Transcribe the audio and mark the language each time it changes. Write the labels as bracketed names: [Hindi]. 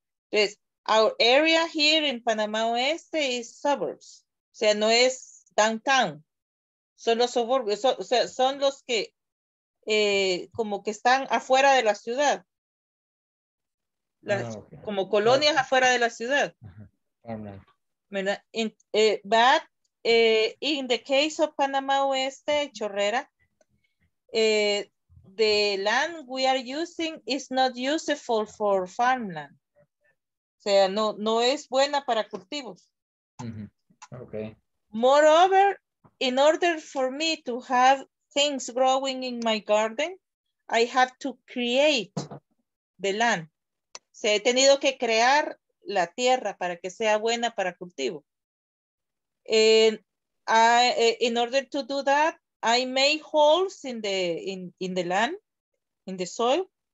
[English] Entonces, our area here in Panama Oeste is suburbs. [Spanish] O sea, no es downtown. Son los suburbios. Son los que como que están afuera de la ciudad. Como colonias afuera de la ciudad. [English] But in the case of Panama Oeste, Chorrera, the land we are using is not useful for farmland. [Spanish] O sea, no es buena para cultivos. Mm-hmm. Okay. [English] Moreover, in order for me to have things growing in my garden, I have to create the land. [Spanish] O sea, he tenido que crear la tierra para que sea buena para cultivo. [English] In order to do that, I made holes in the land, in the soil.